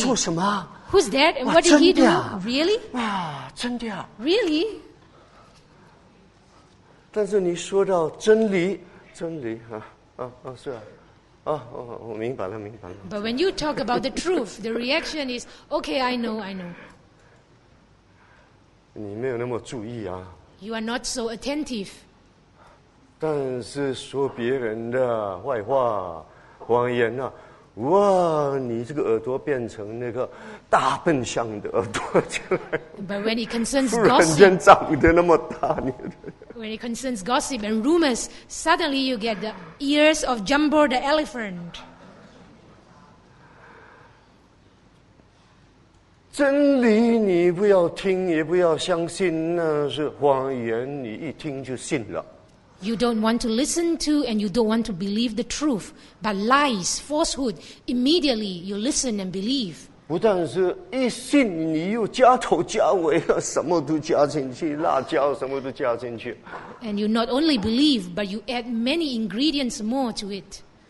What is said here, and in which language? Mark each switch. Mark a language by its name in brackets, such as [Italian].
[Chinese] 他做什么 [English] ？Who's that? And what did he do? Really? [Chinese] 啊，真的呀。 [English] Really? [Chinese] 但是你说到真理。真理啊啊啊是啊，啊哦我明白了明白了。 [English] But when you talk about the truth, the reaction is okay. I know, I know. [Chinese] 你没有那么注意啊。 [English] You are not so attentive. [Chinese] 但是说别人的坏话、谎言呐、啊，哇，你这个耳朵变成那个大笨象的耳朵起来。 [English] But when it concerns gossip, [Chinese] 突然间长得那么大，你。 [English] When it concerns gossip and rumors, suddenly you get the ears of Jumbo the elephant. [Chinese] 真理你不要听，也不要相信，那是谎言。你一听就信了。 [English] You don't want to listen to and you don't want to believe the truth, but lies, falsehood, immediately you listen and believe. [Chinese] 不但是一信你又加头加尾什么都加进去辣椒什么都加进去 [English] And you not only believe but you add many ingredients more to it